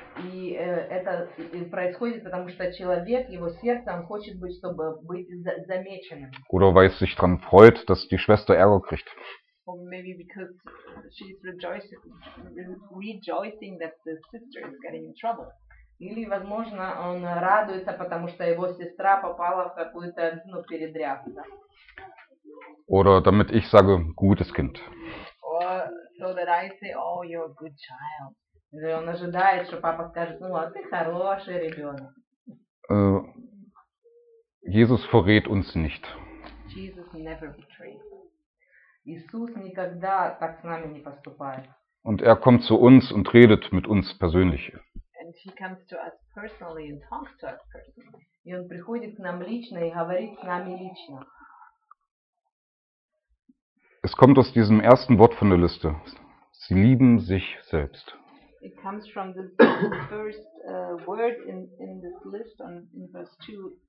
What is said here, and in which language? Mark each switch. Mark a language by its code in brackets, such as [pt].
[ru] И это происходит, потому что человек, его сердце, он хочет быть, чтобы быть замеченным. [de] Oder weil es sich dran freut, dass die Schwester Ärger kriegt. [en] Or maybe because she's rejoicing that the sister is getting in trouble. [ru] Или, возможно, он радуется, потому что его сестра попала в какую-то, ну, передрягу. Да? [de] Oder damit ich sage, gutes Kind. [en] Or so that I say, oh, you're a good child. [ru] И он ожидает, что папа скажет, ну, а ты хороший ребенок. [de] Jesus verrät uns nicht. [en] Jesus never betrays. [ru] Иисус никогда так с нами не поступает. [de] Und er kommt zu uns und redet mit uns persönlich. [en] And he comes to us personally and talks to us personally. [ru] И он приходит к нам лично и говорит с нами лично. [de] Es kommt aus diesem ersten Wort von der Liste. Sie lieben sich selbst. [en] It comes from the first word in this list on in verse 2.